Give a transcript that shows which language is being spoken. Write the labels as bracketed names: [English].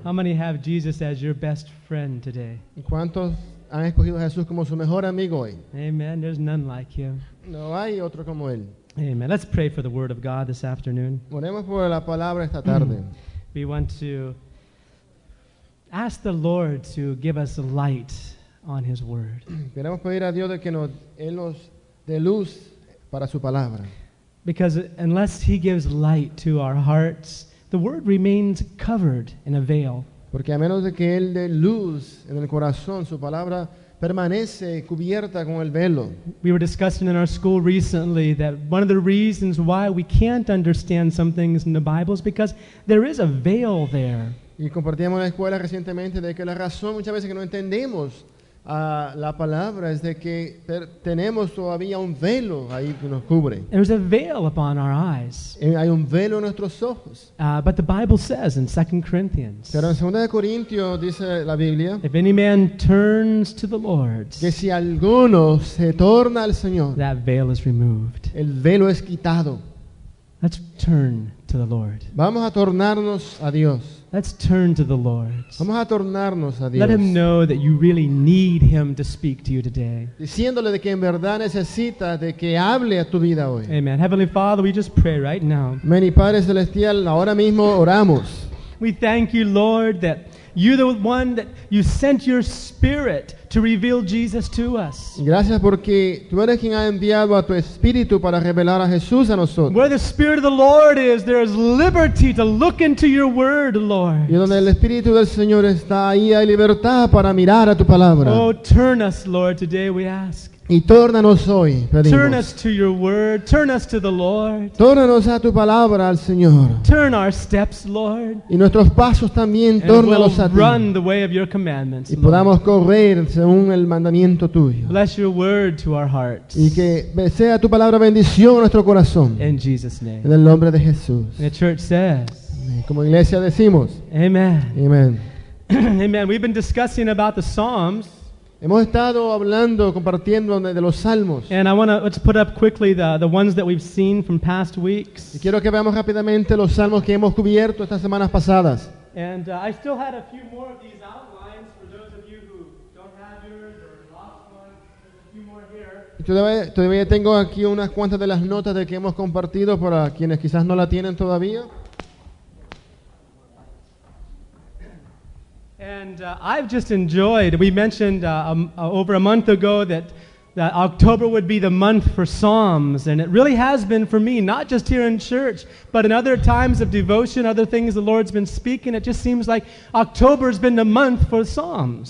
[English] How many have Jesus as your best friend today? [Spanish] ¿Cuántos han escogido a Jesús como su mejor amigo hoy? [English] Amen. There's none like him. [Spanish] No hay otro como él. [English] Amen. Let's pray for the word of God this afternoon. [Spanish] Oremos por la palabra esta tarde. [English] We want to ask the Lord to give us light on his word. [Spanish] Queremos pedir a Dios de que él nos dé luz para su palabra. [English] Because unless he gives light to our hearts, the word remains covered in a veil. [Spanish] Porque a menos de que él dé luz en el corazón, su palabra permanece cubierta con el velo. [English] We were discussing in our school recently that one of the reasons why we can't understand some things in the Bible is because there is a veil there. [Spanish] Y compartíamos en la escuela recientemente de que la razón muchas veces que no entendemos la palabra es de que tenemos todavía un velo ahí que nos cubre. [English] There's a veil upon our eyes. [Spanish] Hay un velo en nuestros ojos. [English] But the Bible says in 2 Corinthians. [Spanish] Pero en 2 Corintios dice la Biblia. [English] If any man turns to the Lord. [Spanish] Que si alguno se torna al Señor. [English] That veil is removed. [Spanish] El velo es quitado. [English] Let's turn to the Lord. [Spanish] Vamos a tornarnos a Dios. [English] Let's turn to the Lord. [Spanish] Vamos a tornarnos a Dios. [English] Let him know that you really need him to speak to you today. [Spanish] Diciéndole de que en verdad necesita de que hable a tu vida hoy. [English] Amen. Heavenly Father, we just pray right now. [Spanish] Mi Padre Celestial, ahora mismo oramos. [English] We thank you, Lord, that you're the one that you sent your Spirit to reveal Jesus to us. [Spanish] Gracias porque tú eres quien ha enviado a tu Espíritu para revelar a Jesús a nosotros. [English] Where the Spirit of the Lord is, there is liberty to look into your word, Lord. [Spanish] Y donde el Espíritu del Señor está, ahí hay libertad para mirar a tu palabra. [English] Oh, turn us, Lord, today we ask. [Spanish] Y tórnanos hoy, pedimos. [English] Turn us to your word. Turn us to the Lord. [Spanish] Tórnanos a tu palabra, al Señor. [English] Turn our steps, Lord. [Spanish] Y nuestros pasos también, [English] and [Spanish] tórnalos [English] we'll [Spanish] a ti. [English] Run the way of your commandments, [Spanish] y [English] Lord. [Spanish] Podamos correr según el mandamiento tuyo. [English] Bless your word to our hearts. [Spanish] Y que sea tu palabra bendición a nuestro corazón. [English] In Jesus' name. [Spanish] En el nombre de Jesús. [English] The church says. [Spanish] Como iglesia decimos. [English] Amen. [Spanish] Amen. [English] Amen. We've been discussing about the Psalms. [Spanish] Hemos estado hablando, compartiendo de los salmos. [English] And I want to let's put up quickly the ones that we've seen from past weeks. [Spanish] Y quiero que veamos rápidamente los salmos que hemos cubierto estas semanas pasadas. [English] And I still had a few more of these outlines for those of you who don't have yours or lost one. There's a few more here. [Spanish] Todavía tengo aquí unas cuantas de las notas de que hemos compartido para quienes quizás no la tienen todavía. [English] And I've just enjoyed, we mentioned over a month ago that October would be the month for Psalms, and it really has been for me, not just here in church, but in other times of devotion, other things the Lord's been speaking, it just seems like October's been the month for Psalms.